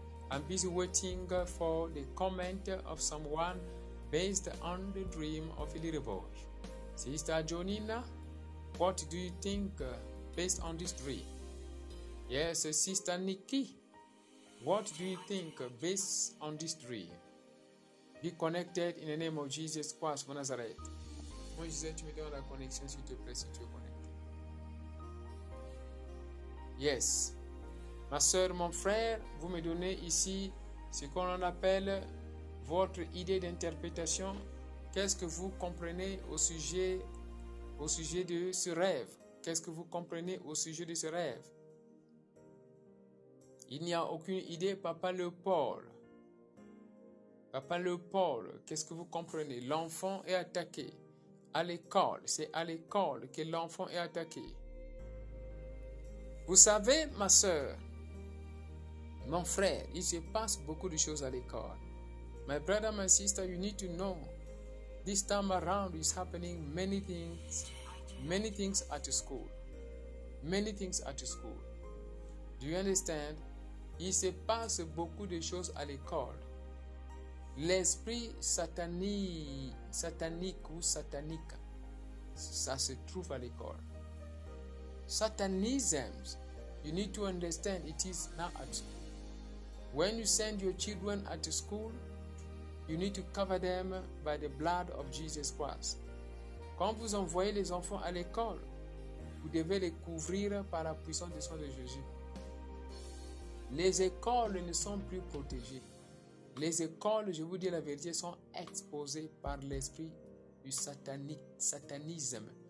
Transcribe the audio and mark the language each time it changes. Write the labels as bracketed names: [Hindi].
[English] I'm busy waiting for the comment of someone based on the dream of a little boy. Sister Jonina, what do you think based on this dream? Yes, Sister Nikki. What do you think based on this tree? Be connected in the name of Jesus Christ of Nazareth. [French] Moi, Jésus, tu me donnes la connexion, s'il te plaît, si tu es connecté. Yes. Ma soeur, mon frère, vous me donnez ici ce qu'on appelle votre idée d'interprétation. Qu'est-ce que vous comprenez au sujet de ce rêve? Qu'est-ce que vous comprenez au sujet de ce rêve? Il n'y a aucune idée, Papa Léopold. Papa Léopold, qu'est-ce que vous comprenez? L'enfant est attaqué à l'école. C'est à l'école que l'enfant est attaqué. Vous savez, ma soeur, mon frère, il se passe beaucoup de choses à l'école. [English] My brother, my sister, you need to know. This time around is happening many things at school. Many things at school. Do you understand? [French] Il se passe beaucoup de choses à l'école. L'esprit satanique, ça se trouve à l'école. [English] Satanism, you need to understand, it is not at school. When you send your children at school, you need to cover them by the blood of Jesus Christ. [French] Quand vous envoyez les enfants à l'école, vous devez les couvrir par la puissance du sang de Jésus. Les écoles ne sont plus protégées. Les écoles, je vous dis la vérité, sont exposées par l'esprit du satanisme.